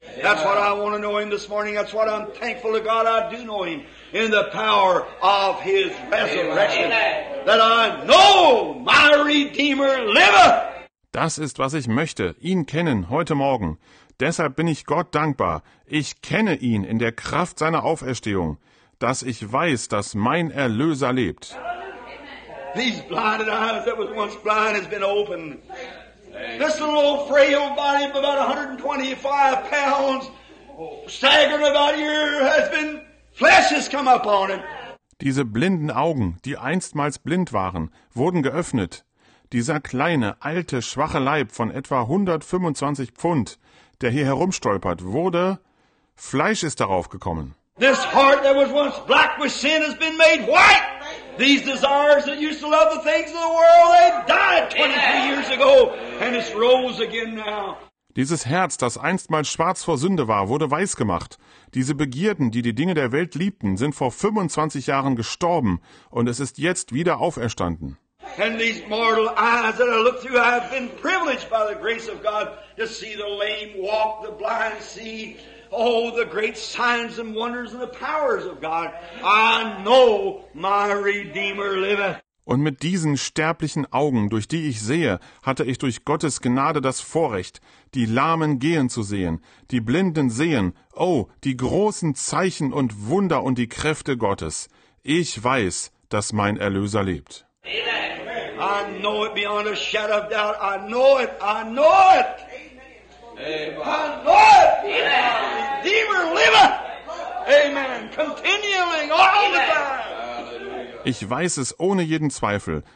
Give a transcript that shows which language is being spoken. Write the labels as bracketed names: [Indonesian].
[English] That's what I want to know him this morning. That's what I'm thankful to God I do know him in the power of his resurrection. Amen. That I know my Redeemer liveth. [German] Das ist, was ich möchte, ihn kennen heute Morgen. Deshalb bin ich Gott dankbar. Ich kenne ihn in der Kraft seiner Auferstehung, dass ich weiß, dass mein Erlöser lebt. [English] These blinded eyes that was once blind has been opened. This little old frail body of about 125 pounds, staggering about here, has been flesh has come upon him. [German] Diese blinden Augen, die einstmals blind waren, wurden geöffnet. Dieser kleine, alte, schwache Leib von etwa 125 Pfund, der hier herumstolpert, wurde Fleisch ist darauf gekommen. [English] This heart that was once black with sin has been made white. These desires that used to love the things of the world, they died 23 years ago and it's rose again now. [German] Dieses Herz, das einstmals schwarz vor Sünde war, wurde weiß gemacht. Diese Begierden, die die Dinge der Welt liebten, sind vor 25 Jahren gestorben und es ist jetzt wieder auferstanden. [English] And these mortal eyes that I look through, I have been privileged by the grace of God to see the lame walk, the blind see. Oh, the great signs and wonders and the powers of God. I know my Redeemer liveth. [German] Und mit diesen sterblichen Augen, durch die ich sehe, hatte ich durch Gottes Gnade das Vorrecht, die Lahmen gehen zu sehen, die Blinden sehen, oh, die großen Zeichen und Wunder und die Kräfte Gottes. Ich weiß, dass mein Erlöser lebt. [English] I know it beyond a shadow of doubt. I know it. I know it. Amen. I know it. Redeemer liveth. Amen. Continuing all the time. [German] Ich weiß es ohne jeden Zweifel.